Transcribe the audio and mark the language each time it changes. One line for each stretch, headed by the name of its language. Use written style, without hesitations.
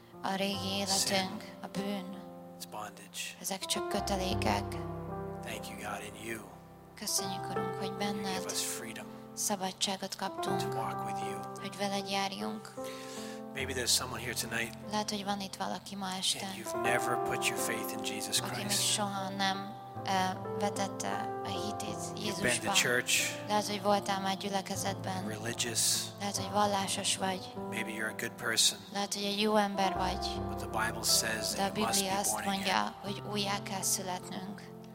Hungarian: A régi életünk, a bűn.
English: It's bondage.
Hungarian: Ezek csak kötelékek.
English: Thank you, God, in you.
Hungarian: Köszönjük, Urunk, hogy benned.
English: You give us freedom.
Hungarian: Szabadságot kaptunk,
English: to walk with you.
Hungarian: Hogy veled járjunk.
English: Maybe there's someone here tonight.
Hungarian: Lehet, hogy van itt valaki ma este.
English: You've never put your faith in Jesus Christ.
Hungarian: Aki soha nem vetette a hitét Jézusba.
English: You've been to church.
Hungarian: Lehet, hogy voltál már gyülekezetben.
English: Religious.
Hungarian: Lehet, hogy vallásos vagy.
English: Maybe you're a good person.
Hungarian: Lehet, hogy egy jó ember vagy.
English: But the Bible says that you must be born again.
Hungarian: De a Biblia azt mondja, hogy újjá kell születnünk.